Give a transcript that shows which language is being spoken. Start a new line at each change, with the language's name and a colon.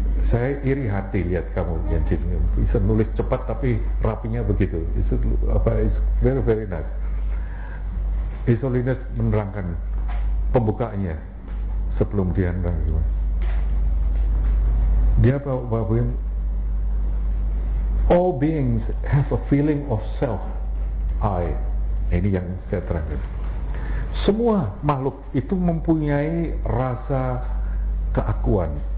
Indonesian: Saya iri hati lihat kamu Yenjin bisa nulis cepat tapi rapinya begitu.
English: It's very very nice.
Indonesian: His Holiness menerangkan pembukaannya sebelum dia menerangkan. Dia bahwa
English: all beings have a feeling of self, I.
Indonesian: Ini yang saya terangkan. Semua makhluk itu mempunyai rasa keakuan.